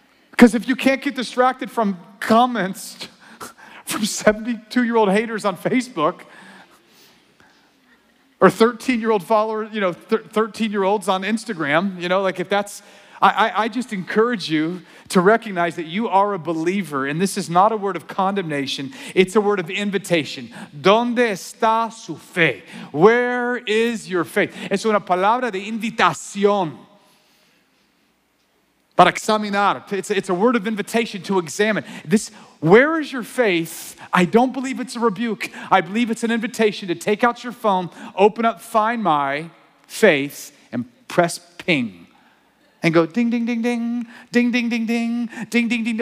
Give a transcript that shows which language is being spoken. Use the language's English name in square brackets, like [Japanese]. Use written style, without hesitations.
[English] Because if you can't get distracted from comments from 72-year-old haters on Facebook, or 13-year-old followers, you know, 13-year-olds on Instagram, you know, like if that's, I just encourage you to recognize that you are a believer, and this is not a word of condemnation, it's a word of invitation. [Spanish] ¿Dónde está su fe? [English] Where is your faith? [Spanish] Es una palabra de invitación. Para examinar. [English] It's a word of invitation to examine. This, where is your faith? I don't believe it's a rebuke. I believe it's an invitation to take out your phone, open up Find My Faith, and press ping. And go ding, ding, ding, ding, ding, ding, ding, ding, ding, ding, ding.